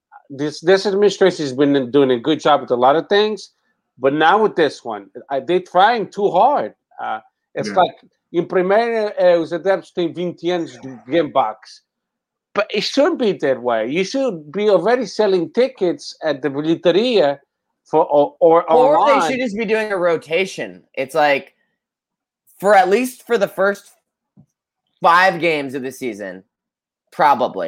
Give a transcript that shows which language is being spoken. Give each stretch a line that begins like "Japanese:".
English: This administration has been doing a good job with a lot of things. But now with this one, they're trying too hard. Like in
Portuguese: Primeira, os adeptos têm 20 anos de
English: game box. But it shouldn't be that way. You should be already selling tickets at the bilheteria or they should just be doing a rotation. It's like, for at least for the first 5 games of the season, probably.